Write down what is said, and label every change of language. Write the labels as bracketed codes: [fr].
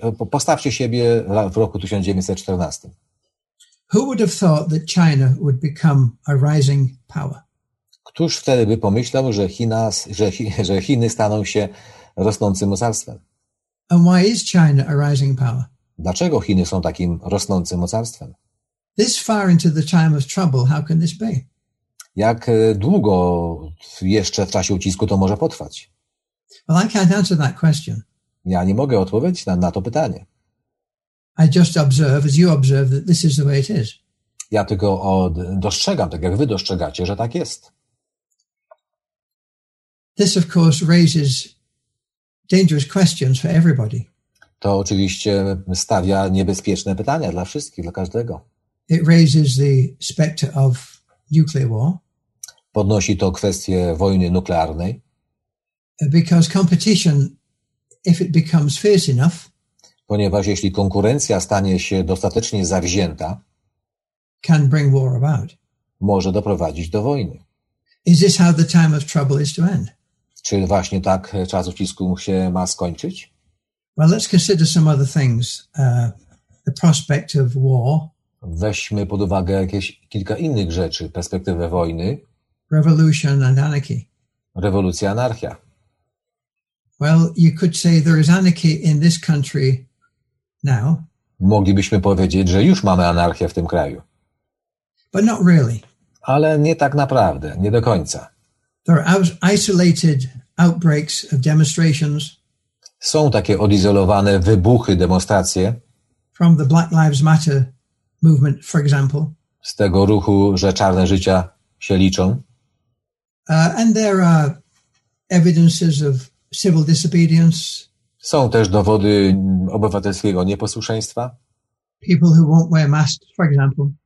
[pl] Postawcie siebie w roku 1914. [en] Who would have thought that China would become a rising power? [pl] Któż wtedy by pomyślał, że Chiny staną się rosnącym mocarstwem? [en] And why is China a rising power? [pl] Dlaczego Chiny są takim rosnącym mocarstwem? [en] This far into the time of trouble, how can this be? [pl] Jak długo jeszcze w czasie ucisku to może potrwać? [en] Well, I can't answer that question. [pl] Ja nie mogę odpowiedzieć na to pytanie. [en] I just observe, as you observe, that this is the way it is. [pl] Ja tylko dostrzegam, tak jak wy dostrzegacie, że tak jest. [en] This, of course, raises dangerous questions for everybody. [pl] To oczywiście stawia niebezpieczne pytania dla wszystkich, dla każdego. [en] It raises the specter of nuclear war. [pl] Podnosi to kwestię wojny nuklearnej. [en] Because competition, if it becomes fierce enough, [pl] ponieważ jeśli konkurencja stanie się dostatecznie zawzięta, [en] can bring war about. [pl] Może doprowadzić do wojny. [en] Is this how the time of trouble is to end? [pl] Czy właśnie tak czas ucisku się ma skończyć? [en] Well, let's consider some other things. The prospect of war. [pl] Weźmy pod uwagę jakieś kilka innych rzeczy, perspektywę wojny. [en] Revolution and anarchy. [pl] Rewolucja, anarchia. [en] Well, you could say there is anarchy in this country now. [pl] Moglibyśmy powiedzieć, że już mamy anarchię w tym kraju. [en] But not really. [pl] Ale nie tak naprawdę, nie do końca. [en] There are isolated outbreaks of demonstrations. [pl] Są takie odizolowane wybuchy, demonstracje. [en] From the Black Lives Matter movement, for example. [pl] Z tego ruchu, że czarne życia się liczą. [en] And there are evidences of civil disobedience. [pl] Są też dowody obywatelskiego nieposłuszeństwa. [en] People who won't wear masks, for example.